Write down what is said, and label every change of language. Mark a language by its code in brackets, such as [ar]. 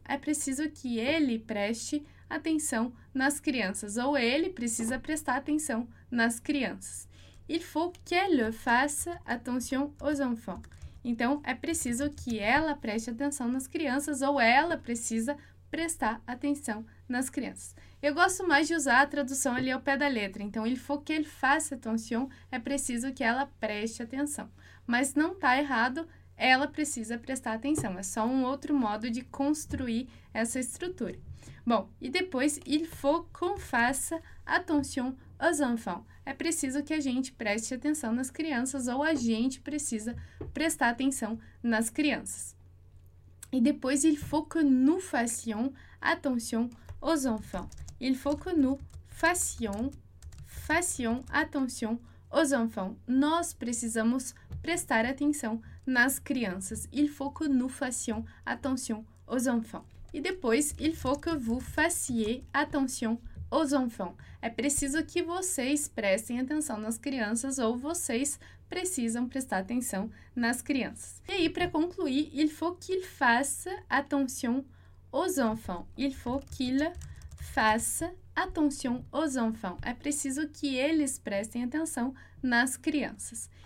[pt] É preciso que ele preste atenção nas crianças, ou ele precisa prestar atenção nas crianças. [fr] Il faut qu'elle fasse attention aux enfants. [pt] Então, é preciso que ela preste atenção nas crianças, ou ela precisa prestar atenção nas crianças. Eu gosto mais de usar a tradução ali ao pé da letra. Então, [fr] il faut qu'elle fasse attention, [pt] é preciso que ela preste atenção. Mas não está errado, ela precisa prestar atenção. É só um outro modo de construir essa estrutura. Bom, e depois, [fr] il faut qu'on fasse attention aux enfants. [pt] É preciso que a gente preste atenção nas crianças, ou a gente precisa prestar atenção nas crianças. [fr] E depois, il faut que nous fassions attention aux enfants. Il faut que nous fassions attention aux enfants. [pt] Nós precisamos prestar atenção nas crianças. [fr] Il faut que nous fassions attention aux enfants. [pt] E depois, [fr] il faut que vous fassiez attention aux enfants. [pt] É preciso que vocês prestem atenção nas crianças, ou vocês precisam prestar atenção nas crianças. [fr] E aí, para concluir, il faut qu'il fasse attention aux enfants. Il faut qu'il Faça attention aux enfants. [pt] É preciso que eles prestem atenção nas crianças.